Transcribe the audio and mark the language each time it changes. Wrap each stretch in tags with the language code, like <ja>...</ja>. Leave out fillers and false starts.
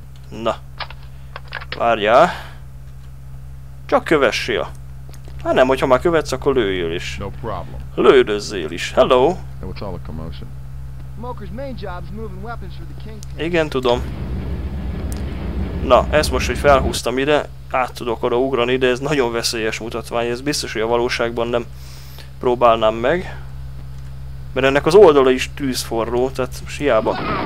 <hu>Na. Várjál. Csak kövessél. Hát nem, hogyha már követsz, akkor lőjél is.</hu> <en>No problem.</en> <hu>Lődözzél is.</hu> <en>Hello. And what's all the commotion? Smoker's main job is moving weapons for the Kingpin.</en> <hu>Igen, tudom. Na, ezt most, hogy felhúztam ide, át tudok oda ugrani, de ez nagyon veszélyes mutatvány. Ez biztos, hogy a valóságban nem próbálnám meg. Mert ennek az oldala is tűzforró, tehát most hiába.</hu>